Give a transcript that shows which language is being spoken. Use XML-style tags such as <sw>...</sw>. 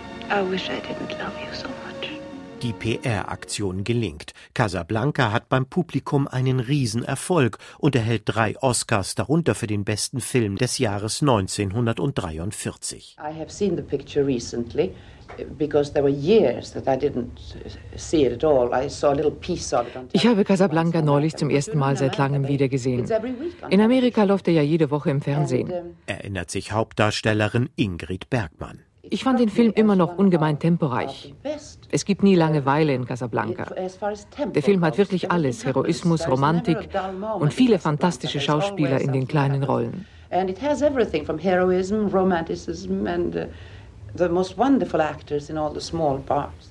<en>I wish I didn't love you so much.</en> <de>Die PR-Aktion gelingt. Casablanca hat beim Publikum einen Riesenerfolg und erhält 3 Oscars, darunter für den besten Film des Jahres 1943.</de> <en>I have seen the picture recently, because there were years that I didn't see it at all. I saw a little piece of it.</en> <de>Ich habe Casablanca neulich zum ersten Mal seit langem wieder gesehen. In Amerika läuft er ja jede Woche im Fernsehen. Erinnert sich Hauptdarstellerin Ingrid Bergman. Ich fand den Film immer noch ungemein temporeich. Es gibt nie Langeweile in Casablanca. Der Film hat wirklich alles, Heroismus, Romantik und viele fantastische Schauspieler in den kleinen Rollen.</de> <en>And it has everything from heroism, romanticism and the most wonderful actors in all the small parts.</en>